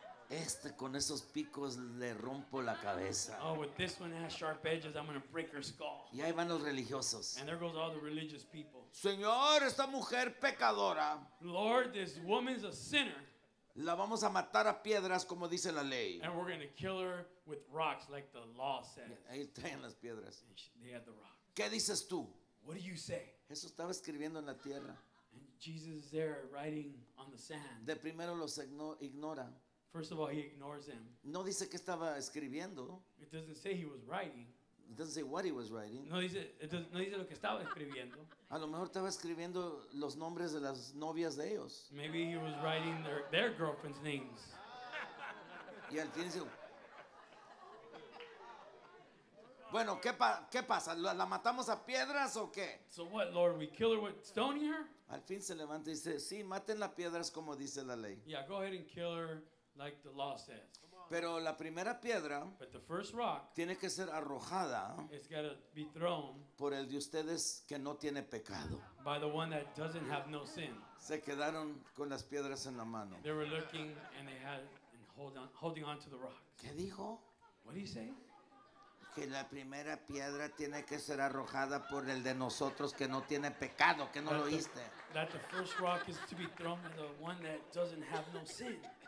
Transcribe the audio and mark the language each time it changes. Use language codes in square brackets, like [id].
[es] Este con esos picos le rompo la cabeza. [en] Oh, with this one has sharp edges, I'm going to break her skull. [es] Y ahí van los religiosos. [en] And there goes all the religious people. [es] Señor, esta mujer pecadora. [en] Lord, this woman's a sinner. [es] La vamos a matar a piedras como dice la ley. [en] And we're going to kill her with rocks like the law says. [es] Ahí traen las piedras. [en] They had the rocks. [es] ¿Qué dices tú? [en] What do you say? [es] Eso estaba escribiendo en la tierra. [en] And Jesus is there writing on the sand. [es] De primero los ignora. [en] First of all, he ignores him. [es] No dice que estaba escribiendo. [en] It doesn't say he was writing. It doesn't say what he was writing. [es] No dice lo que estaba escribiendo. A lo mejor estaba escribiendo los nombres de las novias de ellos. [en] Maybe he was writing their girlfriend's names. [es] Y al fin dice, bueno, ¿qué pasa? ¿La matamos a piedras o qué? [en] So what, Lord, we kill her with stone here? [es] Al fin se levanta y dice, sí, maten las piedras como dice la ley. [en] Yeah, go ahead and kill her. Like the law says. [es] Pero la primera piedra, [en] but the first rock, [es] tiene que ser arrojada, [en] it's got to be thrown, [es] por el de ustedes que no tiene pecado, [en] by the one that doesn't have no sin. [es] Se quedaron con las piedras en la mano. [en] They were looking and they had and holding on to the rocks. [es] ¿Qué dijo? [en] What do you say? [es] Que la primera piedra tiene que ser arrojada por el de nosotros que no tiene pecado, que no lo oíste. [en] That the first rock is to be thrown by the one that doesn't have no sin.